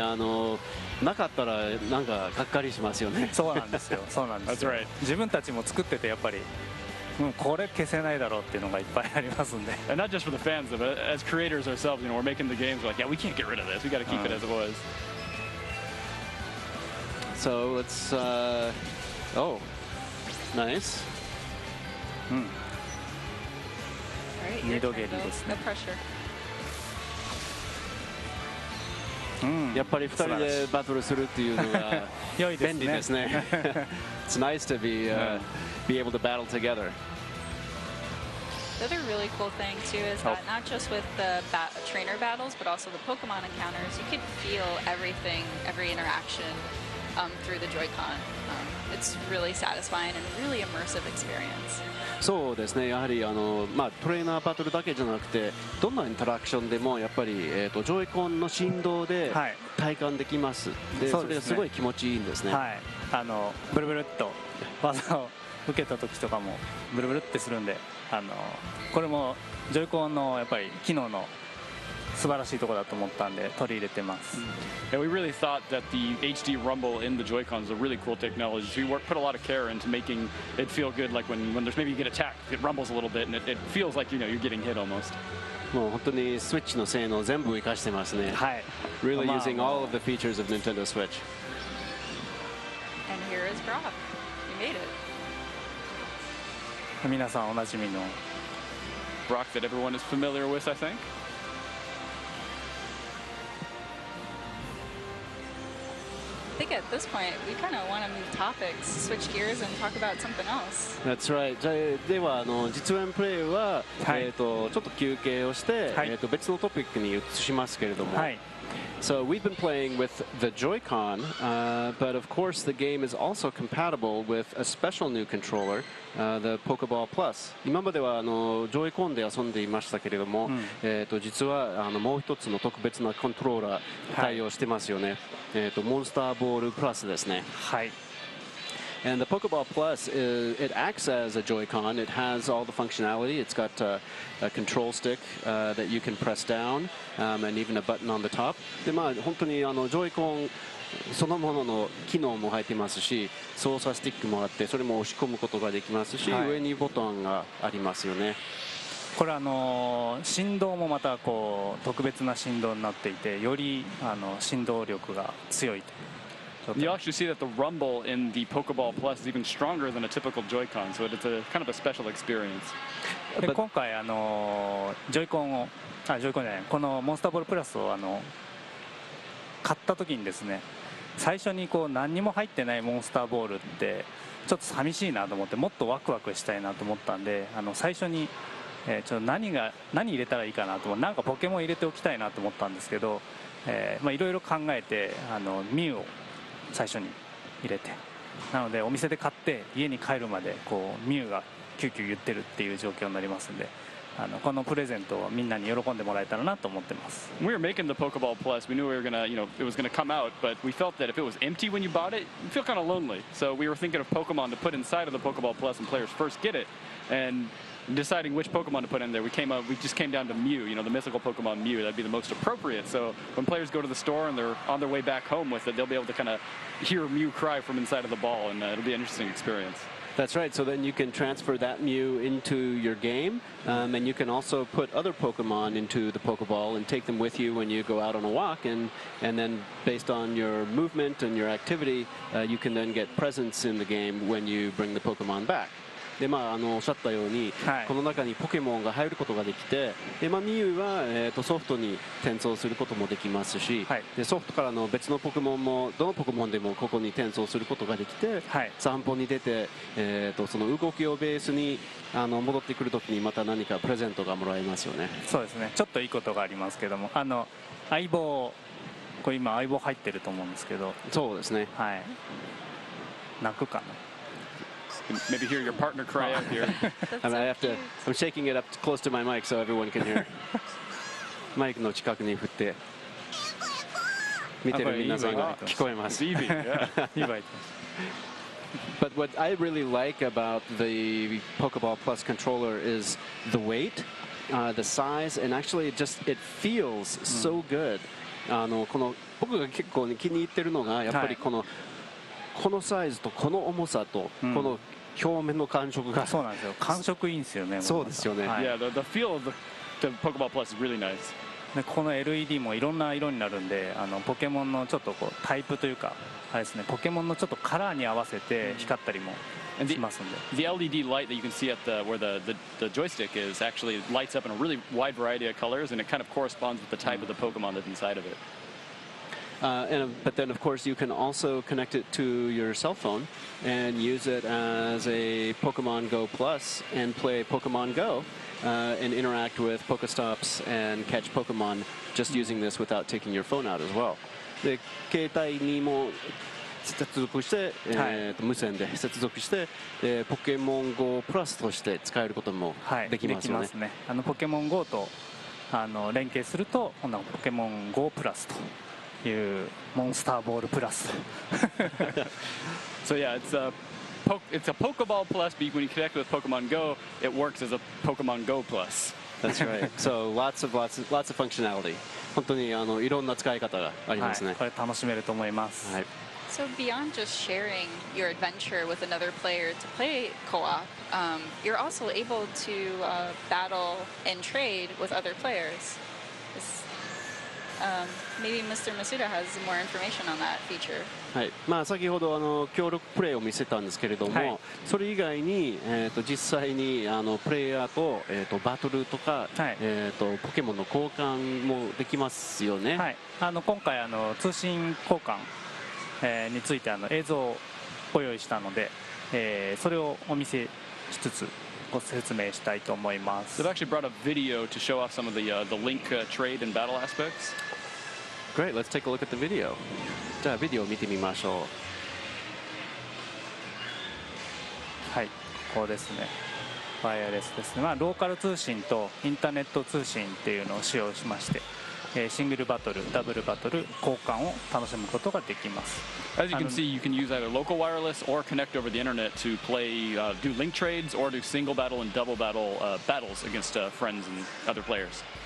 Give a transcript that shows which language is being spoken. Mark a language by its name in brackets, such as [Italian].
[Japanese] あのなかったらなんかがっかりしますよね。そうなんですよ。そうなんですよ。 [English] That's right. [Japanese] 自分たちも作っててやっぱり、うん、これ消せないだろうっていうのがいっぱいありますんで。 [English] And not just for the fans, but as creators ourselves, you know, we're making the games. We're like, yeah, we can't get rid of this. We got to keep it as it was. So let's, oh, nice. All right, your turn, though. No pressure. [Japanese] やっぱり二人でバトルするっていうのが便利ですね。 [English] It's nice to be able to battle together. The other really cool thing, too, is that not just with the trainer battles, but also the Pokemon encounters, you can feel everything, every interaction. Through the Joy-Con. It's really satisfying and really immersive experience. [Japanese] そうですね。やはりあの、まあ、トレーナーバトルだけじゃなくてどんなインタラクションでもやっぱり、Joy-Con の振動で体感できます。はい、で、そうですね。それがすごい気持ちいいんですね。はい。あのブルブルっと技を受けた時とかもブルブルってするんで、あのこれも Joy-Con のやっぱり機能の素晴らしいところだと思ったんで取り入れてます。 [English] Yeah, we really thought that the HD rumble in the Joy-Con is a really cool technology. We put a lot of care into making it feel good, like when there's maybe you get attacked, it rumbles a little bit and it feels like you know you're getting hit almost. [Japanese] もう本当にスイッチの性能全部生かしてますね。はい。 [English] Really using all of the features of Nintendo Switch. And here is Brock. You made it. [Japanese] 皆さんおなじみの [English] Brock that everyone is familiar with, I think. I think at this point we kind of want to move topics, switch gears, and talk about something else. That's right. [Japanese] じゃあ、ではあの実演プレイは、はい、ちょっと休憩をして、はい、別のトピックに移しますけれども。はい。 [English] So we've been playing with the Joy-Con, but of course the game is also compatible with a special new controller, the Pokeball Plus. [Japanese] 今まではあの Joy-Con で遊んでいましたけれども、うん、実はあのもう一つの特別なコントローラー対応してますよね。はい、モンスターボールプラスですね。はい。 [English] And the Pokeball Plus, it acts as a Joy-Con. It has all the functionality. It's got a control stick that you can press down, and even a button on the top. [Japanese] で、まあ、本当にあの Joy-Con そのものの機能も入ってますし、操作スティックもあって、それも押し込むことができますし、はい、上にボタンがありますよね。これあの振動もまたこう特別な振動になっていて、よりあの振動力が強いと。 [English] You actually see that the rumble in the Pokeball Plus is even stronger than a typical Joy-Con, so it's a kind of a special experience. [Japanese] で今回あのジョイコンをあジョイコンじゃないこのモンスターボールプラスをあの買った時にですね、最初にこう何にも入ってないモンスターボールってちょっと寂しいなと思って、もっとワクワクしたいなと思ったんで、あの最初に、ちょっと何入れたらいいかなと思って、なんかポケモン入れておきたいなと思ったんですけど、まあいろいろ考えてあのミュウを最初に入れて、なのでお店で買って家に帰るまでこうミュウがキュキュ言ってるっていう状況になりますんで、あのこのプレゼントをみんなに喜んでもらえたらなと思ってます。 [English] We were making the Pokeball Plus. We knew we were gonna, you know, it was gonna come out, but we felt that if it was empty when you bought it, you'd feel kind of lonely. So we were thinking of Pokemon to put inside of the Pokeball Plus when players first get it, and deciding which Pokemon to put in there, we just came down to Mew. You know, the mythical Pokemon Mew. That'd be the most appropriate. So when players go to the store and they're on their way back home with it, they'll be able to kind of hear Mew cry from inside of the ball, and it'll be an interesting experience. That's right. So then you can transfer that Mew into your game, and you can also put other Pokemon into the Pokeball and take them with you when you go out on a walk. And then based on your movement and your activity, you can then get presents in the game when you bring the Pokemon back. [Japanese] で、まあ、あのおっしゃったように、はい、この中にポケモンが入ることができて、で、まあ、ミユは、ソフトに転送することもできますし、はい、でソフトからの別のポケモンもどのポケモンでもここに転送することができて、はい、散歩に出て、その動きをベースにあの戻ってくるときにまた何かプレゼントがもらえますよね。そうですね、ちょっといいことがありますけども、あの相棒、これ今相棒入ってると思うんですけど、そうですね、はい、泣くかな。 [English] Maybe hear your partner cry out here. I mean, I have to, I'm shaking it up close to my mic so everyone can hear. [Japanese] マイクの近くに振って見てる皆さんが聞こえます。イヴィ、イヴィ。 [English] But what I really like about the Pokeball Plus controller is the weight, the size, and actually just it feels so good. [Japanese] あのこの僕が結構気に入ってるのがやっぱりこの、はい、このサイズとこの重さとこの表面の感触が、うん、そうなんですよ、感触いいんですよね。そうですよね、 [English] はい、yeah, the feel of the Pokeball Plus is really nice。 [Japanese] でこの LED もいろんな色になるんで、あのポケモンのちょっとこうタイプというかあれですね、ポケモンのちょっとカラーに合わせて光ったりもしますんで、うん、 [English] the LED light that you can see at the, where the joystick is actually lights up in a really wide variety of colors and it kind of corresponds with the type of the Pokemon that's inside of it。 But then, of course, you can also connect it to your cell phone and use it as a Pokemon Go Plus and play Pokemon Go and interact with Pokestops and catch Pokemon just using this without taking your phone out as well. [Japanese] で、携帯にも接続して、はい、無線で接続して、Pokemon Go Plus として使えることもできますよね。はい、できますね。あの、Pokemon Go とあの連携すると、この Pokemon Go Plus と。 [English] You Monster Ball Plus. So yeah, it's a Pokeball Plus, but when you connect with Pokemon Go, it works as a Pokemon Go Plus. That's right. So lots of functionality. [Japanese] 本当にあのいろんな使い方がありますね。はい、これ楽しめると思います。はい。 [English] So beyond just sharing your adventure with another player to play co-op, you're also able to battle and trade with other players. It's maybe Mr. Masuda has more information on that feature. [Japanese] はい、まあ、先ほどあの協力プレイを見せたんですけれども、はい、それ以外に、実際にあのプレイヤーと、バトルとか、はい、ポケモンの交換もできますよね。はい、あの今回あの通信交換、についてあの映像をご用意したので、それをお見せしつつご説明したいと思います。 [English] They've actually brought a video to show off some of the link trade and battle aspects. Great, let's take a look at the video. [Japanese] じゃあビデオを見てみましょう。はい、ここですね、ワイヤレスですね、まあ、ローカル通信とインターネット通信っていうのを使用しまして、シングルバトル、ダブルバトル、交換を楽しむことができます。 [English] As you can see, you can use either local wireless or connect over the internet to play, do link trades or do single battle and double battle, battles against, friends and other players.